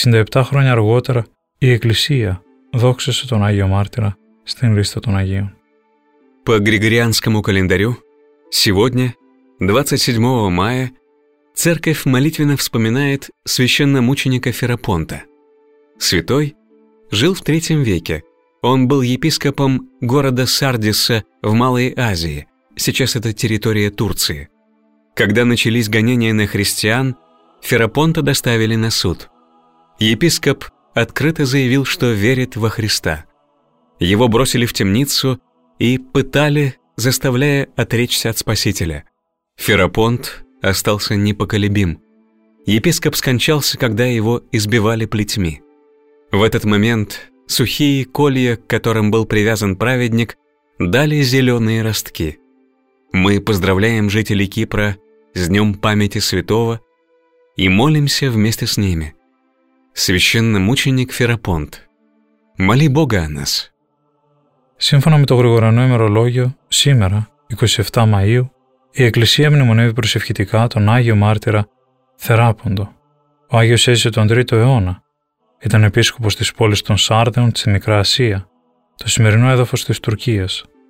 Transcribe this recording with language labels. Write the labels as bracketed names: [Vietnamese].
[Greek] 67 χρόνια αργότερα η Εκκλησία δόξασε τον Άγιο Μάρτυρα στην λίστα των Αγίων. [Russian] По григорианскому календарю сегодня, 27 мая, церковь молитвенно вспоминает священномученика Ферапонта. Святой жил в III веке. Он был епископом города Сардиса в Малой Азии, сейчас это территория Турции. Когда начались гонения на христиан, Ферапонта доставили на суд. Епископ открыто заявил, что верит во Христа. Его бросили в темницу и пытали, заставляя отречься от Спасителя. Ферапонт остался непоколебим. Епископ скончался, когда его избивали плетьми. В этот момент сухие колья, к которым был привязан праведник, дали зеленые ростки. Мы поздравляем жителей Кипра с Днем памяти святого и молимся вместе с ними. Священномученик Ферапонт, моли Бога о нас. [Greek] Σύμφωνα με το Γρηγοριανό ημερολόγιο, σήμερα, 27 Μαΐου, η Εκκλησία μνημονεύει προσευχητικά τον Άγιο Μάρτυρα Θεράποντο. Ο Άγιος έζησε τον 3ο αιώνα. Ήταν επίσκοπος της πόλης των Σάρδεων της Μικρά Ασία, το σημερινό έδαφος της Τουρκίας.